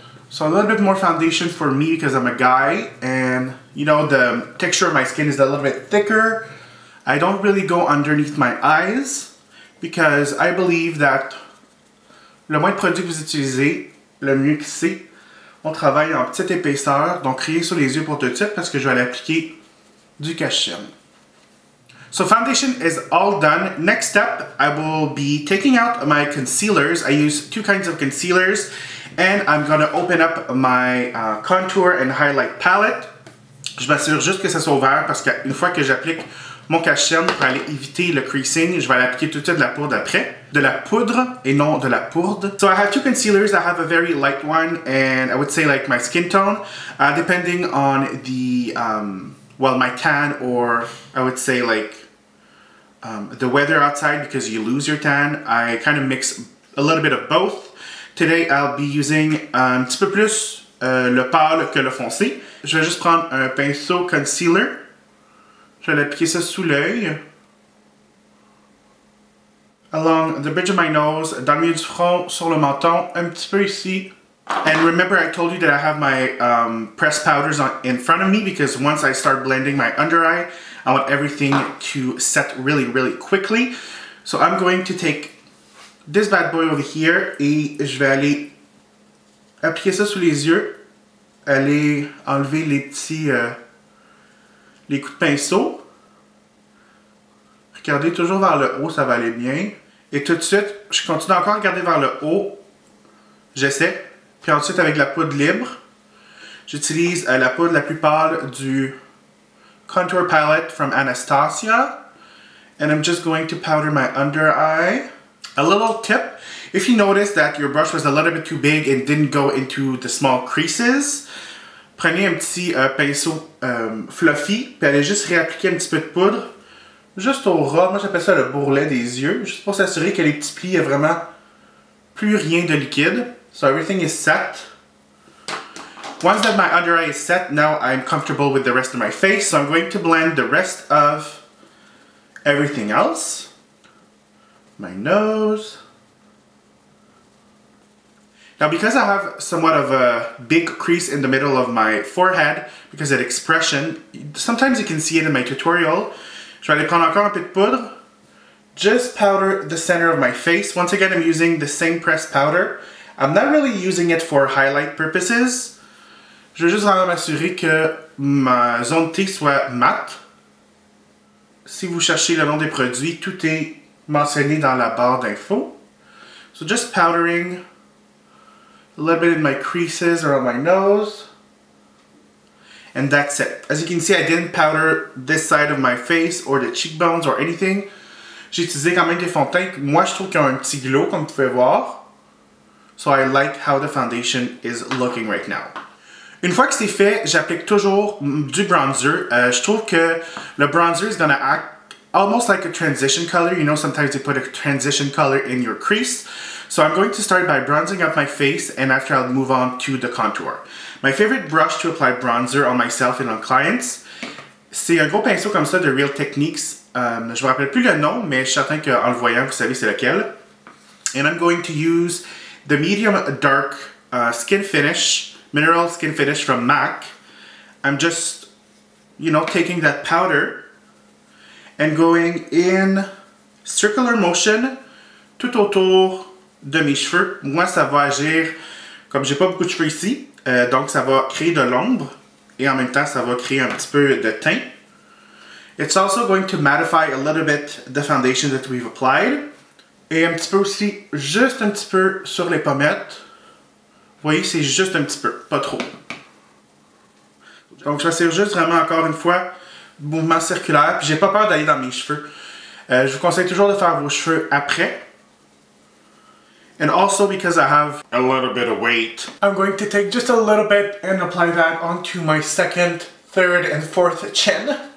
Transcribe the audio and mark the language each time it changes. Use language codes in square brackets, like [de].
[en] So, a little bit more foundation for me because I'm a guy, and you know, the texture of my skin is a little bit thicker. I don't really go underneath my eyes because I believe that [fr] le moins de produit que vous utilisez, le mieux que c'est. On travaille en petite épaisseur, donc rien sur les yeux pour tout de suite parce que je vais aller appliquer du cachet. [en] So foundation is all done. Next step, I will be taking out my concealers. I use two kinds of concealers and I'm gonna open up my contour and highlight palette. [fr] Je m'assure juste que ça soit ouvert parce qu'une fois que j'applique mon cache-cerne pour aller éviter le creasing, je vais l'appliquer tout de suite de la poudre après. De la poudre et non de la poudre. [en] So I have two concealers. I have a very light one and I would say like my skin tone, depending on the well, my tan, or I would say like the weather outside, because you lose your tan. I kind of mix a little bit of both. Today, I'll be using [fr] un petit peu plus le pâle que le foncé. Je vais juste prendre un pinceau concealer. Je vais l'appliquer ça sous l'œil. [en] Along the bridge of my nose, [fr] dans le milieu du front, sur le menton, un petit peu ici. [en] And remember, I told you that I have my pressed powders on in front of me because once I start blending my under eye, I want everything to set really, really quickly. So I'm going to take this bad boy over here [fr] et je vais aller appliquer ça sous les yeux, aller enlever les petits les coups de pinceau. Regardez toujours vers le haut, ça va aller bien. Et tout de suite, je continue encore à regarder vers le haut. J'essaie. Puis ensuite, avec la poudre libre, j'utilise la poudre la plus pâle du Contour Palette from Anastasia. [en] And I'm just going to powder my under eye. A little tip, if you notice that your brush was a little bit too big and didn't go into the small creases, [fr] prenez un petit pinceau fluffy, puis allez juste réappliquer un petit peu de poudre, juste au ras, moi j'appelle ça le bourrelet des yeux, juste pour s'assurer que les petits plis n'aient vraiment plus rien de liquide. [en] So everything is set. Once that my under eye is set, now I'm comfortable with the rest of my face. So I'm going to blend the rest of everything else. My nose. Now, because I have somewhat of a big crease in the middle of my forehead, because of the expression, sometimes you can see it in my tutorial. [fr] Je vais aller prendre encore un peu de poudre. [en] Just powder the center of my face. Once again, I'm using the same pressed powder. I'm not really using it for highlight purposes. [fr] Je veux juste vraiment m'assurer que ma zone T soit mate. Si vous cherchez le nom des produits, tout est mentionné dans la barre d'infos. [en] So just powdering a little bit in my creases around my nose. And that's it. As you can see, I didn't powder this side of my face or the cheekbones or anything. [fr] J'ai utilisé quand même des fonds de teint. Moi, je trouve qu'il y a un petit glow, comme vous pouvez voir. [en] So I like how the foundation is looking right now. [fr] Une fois que c'est fait, j'applique toujours du bronzer. Je trouve que le bronzer [en] is gonna act almost like a transition color. You know, sometimes they put a transition color in your crease. So I'm going to start by bronzing up my face, and after I'll move on to the contour. My favorite brush to apply bronzer on myself and on clients, [fr] c'est un gros pinceau comme ça de Real Techniques. Je me rappelle plus le nom, mais je suis certain qu'en le voyant, vous savez c'est lequel. [en] And I'm going to use the medium dark skin finish, mineral skin finish from MAC. I'm just, you know, taking that powder and going in circular motion [fr] tout autour de mes cheveux. Moi, ça va agir, comme j'ai pas beaucoup de cheveux ici, donc ça va créer de l'ombre et en même temps, ça va créer un petit peu de teint. [en] It's also going to mattify a little bit the foundation that we've applied. [fr] Et un petit peu aussi, juste un petit peu sur les pommettes. Vous voyez, c'est juste un petit peu, pas trop. Donc, je m'assure juste vraiment encore une fois, mouvement circulaire, puis j'ai pas peur d'aller dans mes cheveux. Je vous conseille toujours de faire vos cheveux après. [en] And also because I have a little bit of weight, I'm going to take just a little bit and apply that onto my second, third, and fourth chin.